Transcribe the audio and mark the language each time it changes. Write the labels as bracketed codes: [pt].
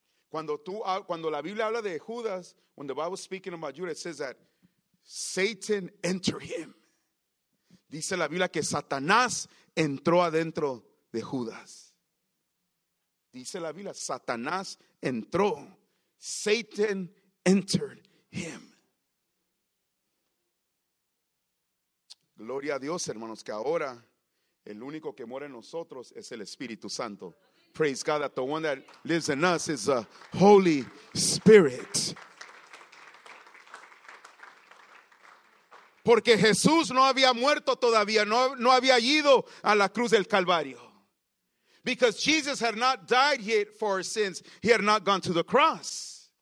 [es] Cuando la Biblia habla de Judas, [en] when the Bible is speaking about Judas, it says that Satan entered him. [es] Dice la Biblia que Satanás entró adentro de Judas. Dice la Biblia, Satanás entró. [en] Satan entered him. [es] Gloria a Dios, hermanos, que ahora el único que mora en nosotros es el Espíritu Santo. [en] Praise God that the one that lives in us is the Holy Spirit. [es] Porque Jesús no había muerto todavía, no había ido a la cruz del Calvario. [en] Because Jesus had not died yet for our sins, he had not gone to the cross.